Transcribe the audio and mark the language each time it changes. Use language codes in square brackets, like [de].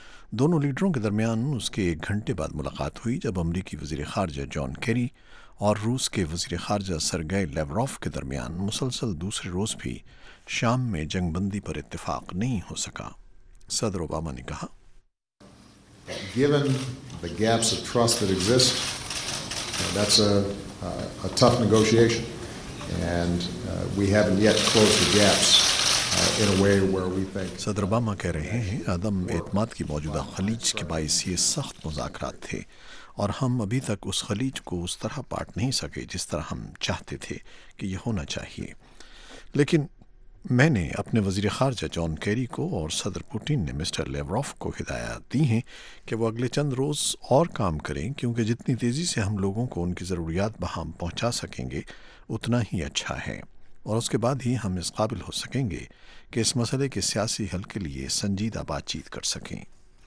[ur] دونوں لیڈروں کے درمیان اس کے ایک گھنٹے بعد ملاقات ہوئی جب امریکی وزیر خارجہ جان کیری اور روس کے وزیر خارجہ سرگئی لیوروف کے درمیان مسلسل دوسرے روز بھی شام میں جنگ بندی پر اتفاق نہیں ہو سکا. صدر اوباما نے کہا [en] Given the gaps of trust that exist, that's a tough negotiation. And we haven't yet closed the gaps in a way where we think... [ur] صدر اوباما کہہ رہے ہیں عدم اعتماد کی موجودہ خلیج کے باعث یہ سخت مذاکرات تھے اور ہم ابھی تک اس خلیج کو اس طرح پاٹ نہیں سکے جس طرح ہم چاہتے تھے کہ یہ ہونا چاہیے. لیکن میں نے اپنے وزیر خارجہ جان کیری کو اور صدر پوٹین نے مسٹر لیوروف کو ہدایات دی ہیں کہ وہ اگلے چند روز اور کام کریں, کیونکہ جتنی تیزی سے ہم لوگوں کو ان کی ضروریات بہم پہنچا سکیں گے اتنا ہی اچھا ہے, اور اس کے بعد ہی ہم اس قابل ہو سکیں گے کہ اس مسئلے کے سیاسی حل کے لیے سنجیدہ بات چیت کر سکیں.